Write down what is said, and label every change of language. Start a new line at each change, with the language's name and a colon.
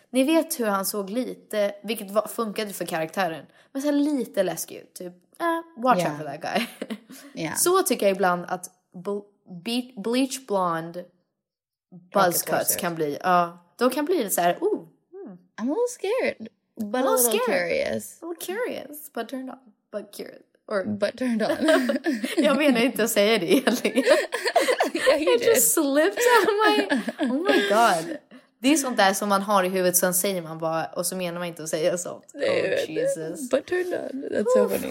Swedish: Ni vet hur han såg lite, vilket funkade för karaktären. Men så här lite läskig ut, typ,
English: watch out for that guy. Yeah.
Swedish: Så tycker jag ibland att bleach blonde buzz cuts kan bli. De kan bli lite så här, ooh.
English: I'm a little scared, but a little scared. Curious. A little curious, but turned on. But curious. Or, but turned on.
Swedish: Jag menar inte att säga det egentligen.
English: Yeah, it just slipped out of my... Oh my god.
Swedish: Det är sånt där som man har i huvudet, sen säger man bara, och så menar man inte att säga sånt.
English: Oh Jesus. But turned on. That's so funny.